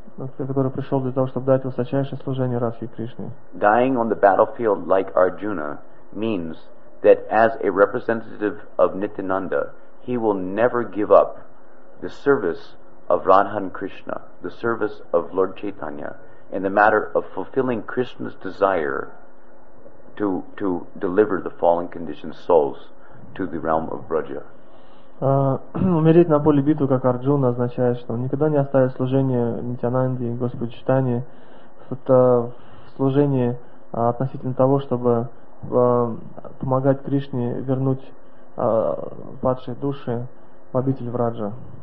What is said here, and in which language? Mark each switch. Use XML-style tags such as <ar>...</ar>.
<ru>Который пришел для того, чтобы дать высочайшее служение Радхе и Кришне.</ru> <en>Dying on the battlefield like Arjuna means that as a representative of Nityananda, he will never give up the service of Radha and Krishna, the service of Lord Chaitanya, in the matter of fulfilling Krishna's desire to deliver the fallen conditioned souls to the realm of Braja.</en> <ru>Умереть на поле битвы, как Арджуна, означает, что он никогда не оставит служение Нитьянанде и Господу Чайтанье. Это служение относительно того, чтобы помогать Кришне вернуть падшие души в обитель Враджа.</ru>